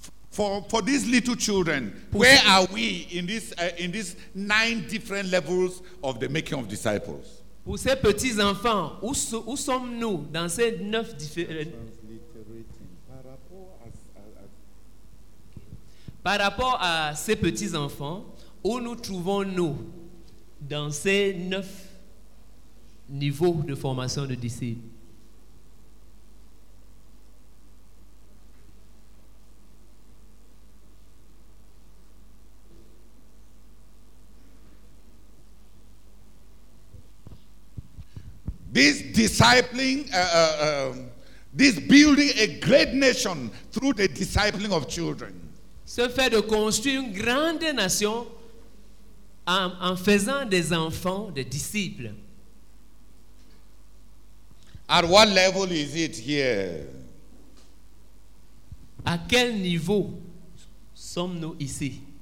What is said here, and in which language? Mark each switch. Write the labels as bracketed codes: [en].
[en] For these little children, where are we in this 9 different levels of the making of disciples? [fr] Pour ces petits enfants, où sommes-nous dans ces 9 différents? Par rapport à ces petits enfants, où nous trouvons-nous dans ces 9 niveaux de formation de disciples? [en] This discipling, this building a great nation through the discipling of children. [fr] Ce fait de construire une grande nation en faisant des enfants, des disciples. [en] At what level is it here? [fr] À quel niveau sommes-nous ici?